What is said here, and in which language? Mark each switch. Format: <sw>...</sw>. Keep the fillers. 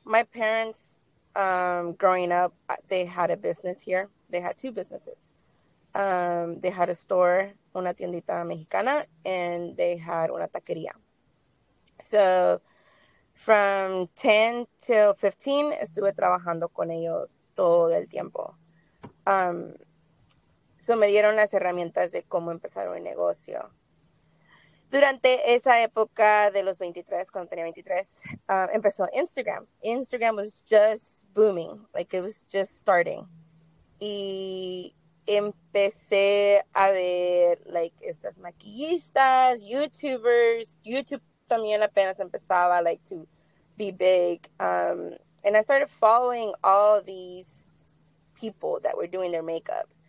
<en>My parents, um, growing up, they had a business here. they had two businesses. Um, they had a store,</en> <es>una tiendita mexicana,</es> <en>and they had</en> <es>una taqueria.</es> <en>So from 10 till 15, I</en> <es>trabajando con ellos todo el tiempo. Um, so me dieron las herramientas de cómo empezar un negocio. Durante esa época de los 23, cuando tenía 23, uh, empezó Instagram.</es> <en>Instagram was just booming, like it was just starting</en> <es>y empecé a ver</es> <en>like</en> <es>estas maquillistas, YouTubers, YouTube también apenas empezaba</es> <en>like to be big, um, and I started following all these people that were doing their makeup.</en>